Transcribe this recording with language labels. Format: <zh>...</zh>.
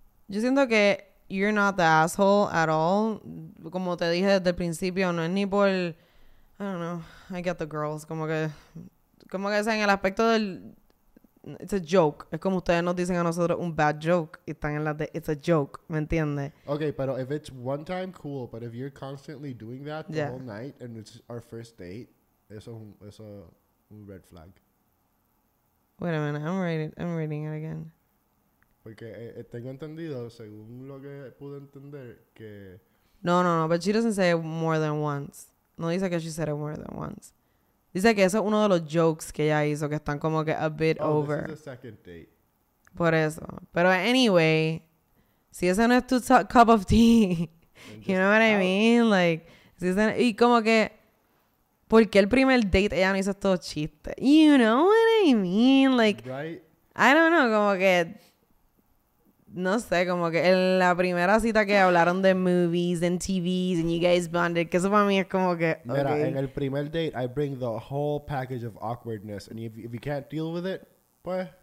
<es>yo siento que</es> <en>you're not the asshole at all.</en> <es>Como te dije desde el principio, no es ni por...</es> <en>I don't know. I get the girls.</en> <es>Como que sea en el aspecto del...</es> <en>it's a joke.</en> <es>Es como ustedes nos dicen a nosotros un</es> <en>bad joke.</en> <es>Y están en la de</es> <en>it's a joke.</en> <es>¿Me entiende?</es> <en>Okay, pero if it's one time, cool. But if you're constantly doing that the whole night and it's our first date,</en> <es>eso es un</es> <en>red flag. Wait a minute. I'm reading it again.</en> <es>Porque tengo entendido, según lo que pude entender, que... No. But she doesn't say it more than once. No dice que she said it more than once. Dice que eso es uno de los jokes que ella hizo, que están como que</es> <en>a bit over. This is the second date.</en> <es>Por eso. Pero</es> <en>anyway,</en> <es>si ese no es tu</es> <en>cup of tea, you know what I mean?</en> <es>Like, si ese no, y como que, ¿por qué el primer date ella no hizo estos chistes?</es> <en>You know what I mean? Like, right?</en> <es>I don't know, como que, no sé, como que en la primera cita que hablaron de</es> <en>movies and TVs and you guys bonded,</en> <es>que eso para mí es como que...</es> <en>okay.</en> <es>Mira, en el primer</es> <en>date, I bring the whole package of awkwardness. And if you can't deal with it, pues,</en>